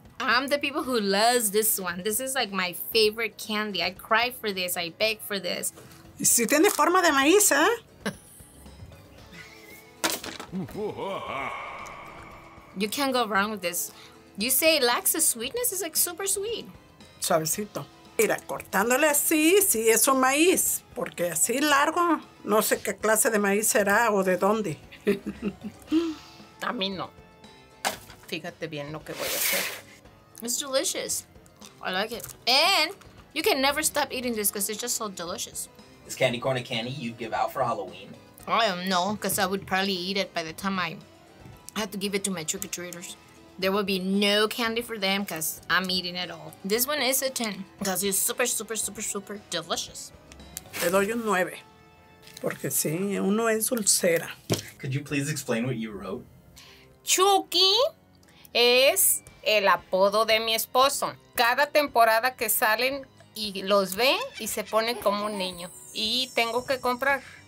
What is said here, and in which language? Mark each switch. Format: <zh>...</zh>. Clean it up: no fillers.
<en>I'm the people who loves this one. This is like my favorite candy. I cry for this. I beg for this.</en> <es>Y si tiene forma de maíz, ¿eh?</es> <en>You can't go wrong with this. You say it lacks the sweetness, it's like super sweet.</en> <es>Suavecito. Mira, cortándole así, sí, es un maíz. Porque así largo, no sé qué clase de maíz será o de dónde. A mí no. Fíjate bien lo que voy a hacer.</es> <en>It's delicious. I like it. And you can never stop eating this because it's just so delicious. Is candy corn a candy you'd give out for Halloween? I don't know, because I would probably eat it by the time I have to give it to my trick-or-treaters. There will be no candy for them because I'm eating it all. This one is a 10 because it's super, super, super, super delicious.</en> <es>Le doy un 9 porque sí, uno es dulcera.</es> <en>Could you please explain what you wrote?</en> <es>Chucky es el apodo de mi esposo. Cada temporada que salen y los ve y se pone como un niño. Y tengo que comprar</es>